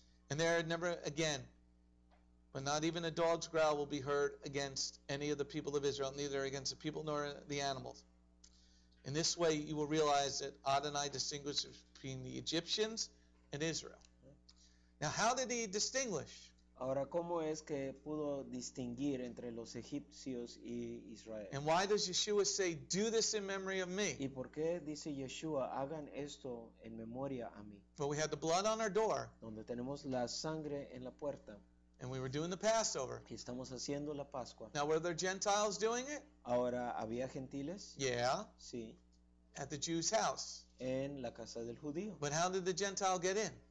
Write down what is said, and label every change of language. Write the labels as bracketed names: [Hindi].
[English] And there never again, but not even a dog's growl will be heard against any of the people of Israel, neither against the people nor the animals. In this way, you will realize that Adonai distinguishes between the Egyptians and Israel." Now, how did he distinguish? [Spanish] Ahora, ¿cómo es que pudo distinguir entre los egipcios y Israel? [English] And why does Yeshua say, "Do this in memory of me"? [Spanish] ¿Y por qué dice Yeshua, "Hagan esto en memoria a mí"? [English] Well, we had the blood on our door. [Spanish] Donde tenemos la sangre en la puerta. [English] And we were doing the Passover. [Spanish] Y estamos haciendo la Pascua. [English] Now, were there Gentiles doing it? [Spanish] Ahora, ¿había gentiles? [English] Yeah. [Spanish] Sí. [English] At the Jew's house. [Spanish] En la casa del judío. [English] But how did the Gentile get in?